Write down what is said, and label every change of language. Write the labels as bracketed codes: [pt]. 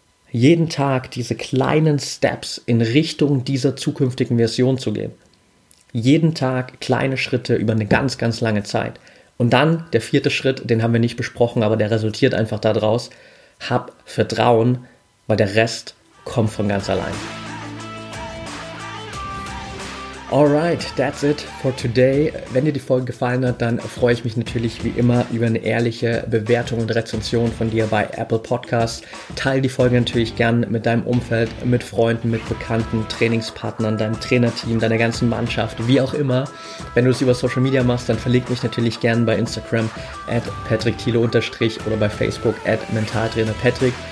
[de] Jeden Tag diese kleinen Steps in Richtung dieser zukünftigen Version zu gehen. Jeden Tag kleine Schritte über eine ganz, ganz lange Zeit. Und dann der vierte Schritt, den haben wir nicht besprochen, aber der resultiert einfach daraus. Hab Vertrauen, weil der Rest kommt von ganz allein. [en] Alright, that's it for today. [de] Wenn dir die Folge gefallen hat, dann freue ich mich natürlich wie immer über eine ehrliche Bewertung und Rezension von dir bei Apple Podcasts. Teil die Folge natürlich gern mit deinem Umfeld, mit Freunden, mit Bekannten, Trainingspartnern, deinem Trainerteam, deiner ganzen Mannschaft, wie auch immer. Wenn du es über Social Media machst, dann verlink mich natürlich gern bei Instagram @PatrickThiele_ oder bei Facebook @MentaltrainerPatrick.